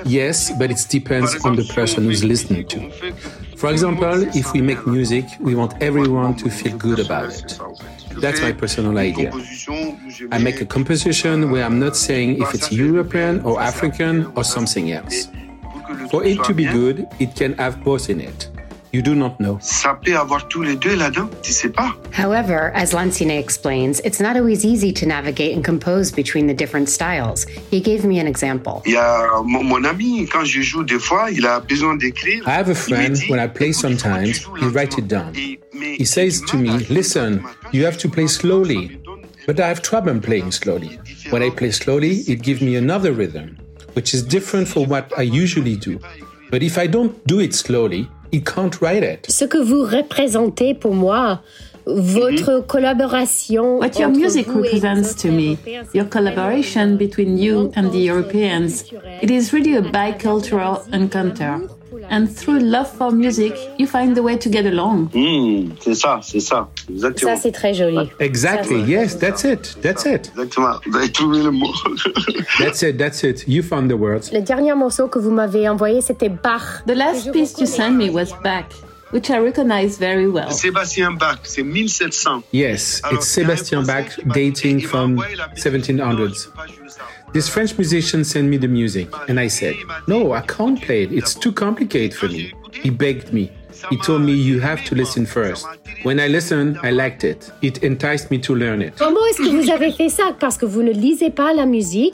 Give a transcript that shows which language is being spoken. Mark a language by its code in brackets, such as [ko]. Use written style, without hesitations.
[en] Yes, but it depends on the person who's listening to. For example, if we make music, we want everyone to feel good about it. That's my personal idea. I make a composition where I'm not saying if it's European or African or something else. For it to be good, it can have both in it. You do not know. [fr] Ça peut avoir tous les deux là-dedans, tu sais pas. [en] However, as Lansine explains, it's not always easy to navigate and compose between the different styles. He gave me an example. Il y a mon ami, quand je joue des fois, il a besoin d'écrire. I have a friend, dit, when I play sometimes, he writes it down. He says to me, listen, you have to play slowly. But I have trouble playing slowly. When I play slowly, it gives me another rhythm, which is different from what I usually do. But if I don't do it slowly, he can't write it. [fr] Ce que vous représentez pour moi, votre collaboration. [en] What your music represents to me, your collaboration between you and the Europeans, it is really a bicultural encounter. And through love for music, you find the way to get along. [fr] C'est ça. Exactement. Ça, c'est très joli. [en] Exactly, yes, that's it, that's it. [fr] Exactement, j'ai trouvé le mot. [en] That's it, you found the words. [fr] Le dernier morceau que vous m'avez envoyé, c'était Bach. [en] The last piece you sent me was Bach, which I recognize very well. [fr] Sébastien Bach, c'est 1700. [en] Yes, it's Sébastien Bach, dating from 1700s. This French musician sent me the music, and I said, no, I can't play it, it's too complicated for me. He begged me, He told me you have to listen first. When I listened, I liked it. It enticed me to learn it. [fr] Comment est-ce que vous avez fait ça? Parce que vous ne lisez pas la musique.